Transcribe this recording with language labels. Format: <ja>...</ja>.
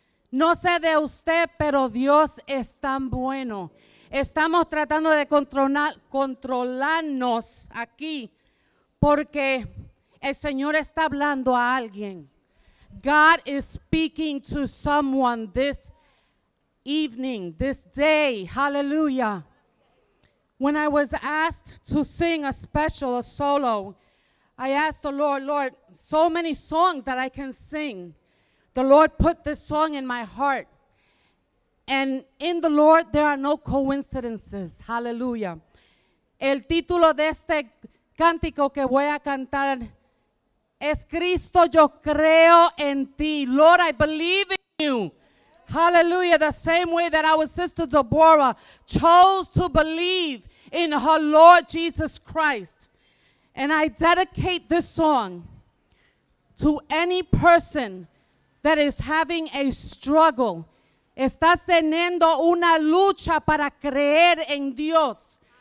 <es>No sé de usted, pero Dios es tan bueno. Estamos tratando de controlarnos aquí porque el Señor está hablando a alguien.</es> <en>God is speaking to someone this evening, this day. Hallelujah. When I was asked to sing a special, a solo, I asked the Lord, so many songs that I can sing. The Lord put this song in my heart. And in the Lord, there are no coincidences. Hallelujah.</en> <es>El título de este cántico que voy a cantar es Cristo, yo creo en ti.</es> <en>Lord, I believe in you. Hallelujah. The same way that our sister Deborah chose to believe in her Lord Jesus Christ. And I dedicate this song to any person that is having a struggle.</en> <es>Estás teniendo una lucha para creer en Dios.</es>